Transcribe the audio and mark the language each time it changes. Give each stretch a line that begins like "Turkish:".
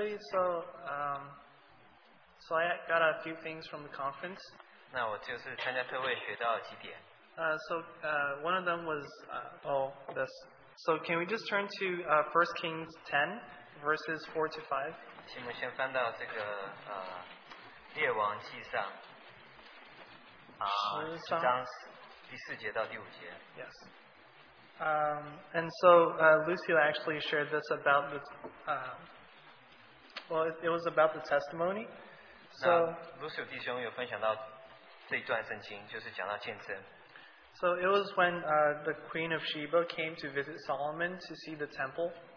English: So I got a few things from the conference.
Chinese: 那我就是参加特会学到几点。
English: One of them was, this. So can we just turn to 1 Kings 10, verses 4 to 5?
Chinese: 请我们先翻到这个, 列王记上, 十章第四节到第五节。
English: Yes. Lucy actually shared this about the, it was about the testimony. So,
Chinese: Lucy弟兄有分享到这一段圣经，就是讲到见证。
English: So it was when the Queen of Sheba came to visit Solomon to see the temple.